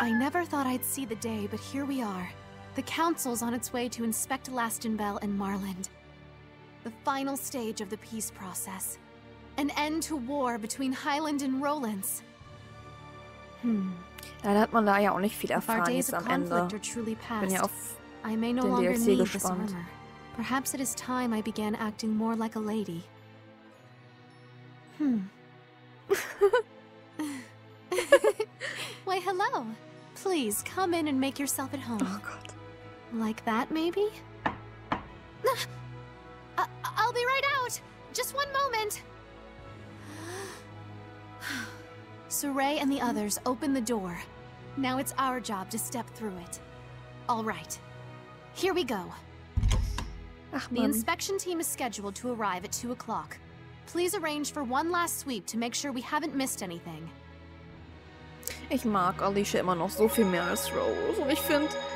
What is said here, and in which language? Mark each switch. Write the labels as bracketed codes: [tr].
[en] I never thought I'd see the day, but here we are. The Council's on its way to inspect Lastenbell and Marland. The final stage of the peace process. An end to war between Highland and Rolands. [de] Leider hat man da ja auch nicht viel erfahren jetzt am Ende. Bin ja auf den DLC gespannt. [en] Perhaps it is time I began acting more like a lady. Why, hello. Please come in and make yourself at home. [de] Oh Gott. [en] Like that maybe? I'll be right out. Just one moment. Saray and the others open the door. Now it's our job to step through it. All right. Here we go. Ach, the inspection team is scheduled to arrive at 2 o'clock. Please arrange for one last sweep to make sure we haven't missed anything. [de] Ich mag Alicia immer noch so viel mehr als Rose. Und ich finde...